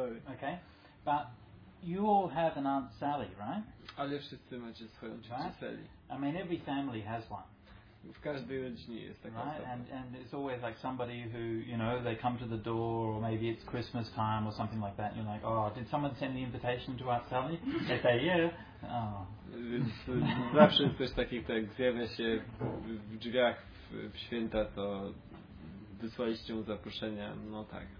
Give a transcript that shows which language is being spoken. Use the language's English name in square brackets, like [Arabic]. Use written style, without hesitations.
[English] Okay. But you all have an Aunt Sally, right? [Polish] Ale wszyscy macie swoją ciocię Sally. [English] I mean, every family has one. [Polish] W każdej rodzinie jest taka osoba. [English] Right? And it's always like somebody who, you know, they come to the door, or maybe it's Christmas time or something like that, and you're like, oh, did someone send the invitation to Aunt Sally? They say, yeah. Oh. [Polish] Więc zawsze jest coś takiego, jak zjawia się w drzwiach w święta, to wysłaliście mu zaproszenia, no tak.